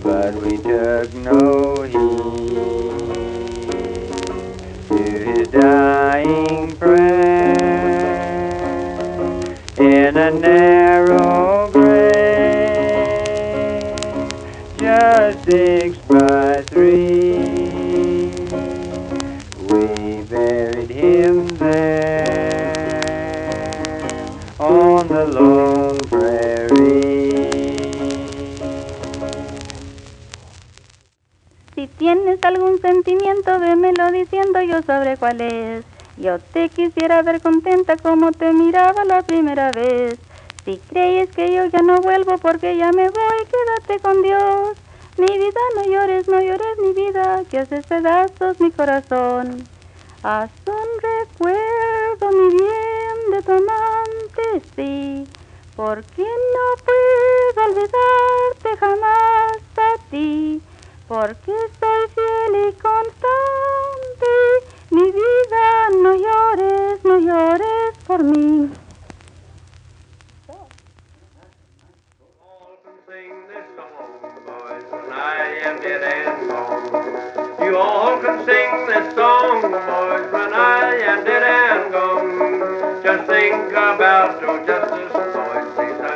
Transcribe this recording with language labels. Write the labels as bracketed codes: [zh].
[en] No heed to his dying prayer in a narrow grave, just 6 by 3. We buried him there on the lone prairie. [es] Tienes algún sentimiento, démelo diciendo, yo sabré cuál es. Yo te quisiera ver contenta como te miraba la primera vez. Si crees que yo ya no vuelvo porque ya me voy, quédate con Dios. Mi vida, no llores mi vida, que haces pedazos mi corazón. Haz un recuerdo, mi bien, de tu amante, sí. Porque no puedo olvidarte jamás a ti. Porque soy fiel y constante, mi vida, no llores por mí. [en] You all can sing this song, boys, when I am dead and gone. Just think about, oh, just this voice.